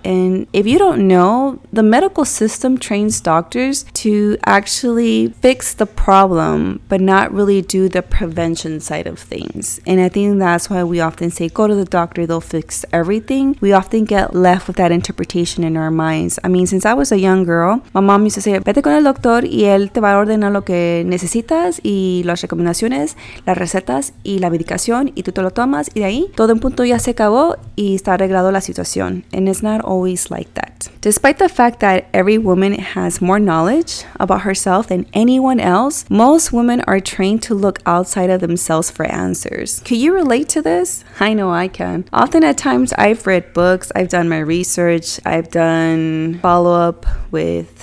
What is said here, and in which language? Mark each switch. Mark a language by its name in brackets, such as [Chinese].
[English] And if you don't know, the medical system trains doctors to actually fix the problem, but not really do the prevention side of things. And I think that's why we often say, go to the doctor, they'll fix everything. We often get left with that interpretation in our minds. I mean, since I was a young girl, my mom used to say, [Spanish] vete con el doctor y él te va a ordenar lo que necesitas y las recomendaciones, las recetas y la medicación, y tú te lo tomas, y de ahí todo un punto ya se acabó y está arreglado la situación. [English] And it's not always like that. Despite the fact that every woman has more knowledge about herself than anyone else, most women are trained to look outside of themselves for answers. Can you relate to this? I know I can. Often at times I've read books, I've done my research, I've done follow-up with